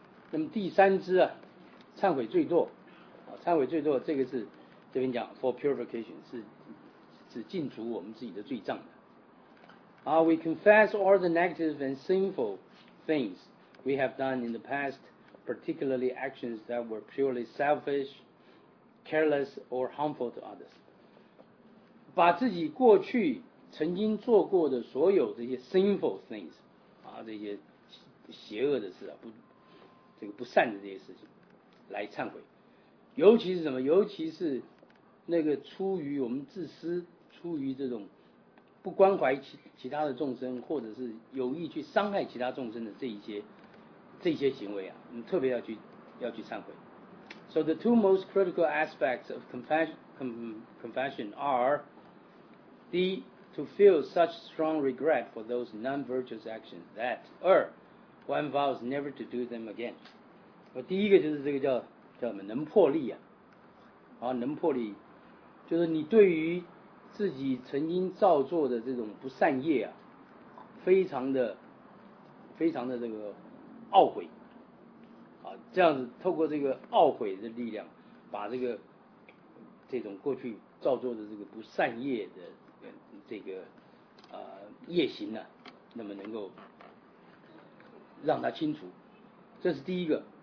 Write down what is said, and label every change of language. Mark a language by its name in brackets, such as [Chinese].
[Chinese] 那么第三支啊，忏悔罪堕，忏悔罪堕这个是这边讲 [English] for purification， [Chinese] 是净除我们自己的罪障的。 [English] We confess all the negative and sinful things we have done in the past, particularly actions that were purely selfish, careless or harmful to others. [Chinese] 把自己过去曾经做过的所有这些 [English] sinful things [Chinese] 啊，这些邪恶的事啊，不，这个不善的这些事情来忏悔，尤其是什么，尤其是那个出于我们自私，出于这种不关怀其他的众生，或者是有意去伤害其他众生的这些行为啊，我们特别要去忏悔。 [English] So the two most critical aspects of confession are [Chinese] 第一， [English] to feel such strong regret for those non-virtuous actions that one vows never to do them again. [Chinese] 第一个就是这个叫什么能魄力啊，好，能魄力就是你对于自己曾经造作的这种不善业啊，非常的这个懊悔啊，这样子透过这个懊悔的力量，把这个这种过去造作的这个不善业的这个业行呢、啊，那么能够让它清除，这是第一个。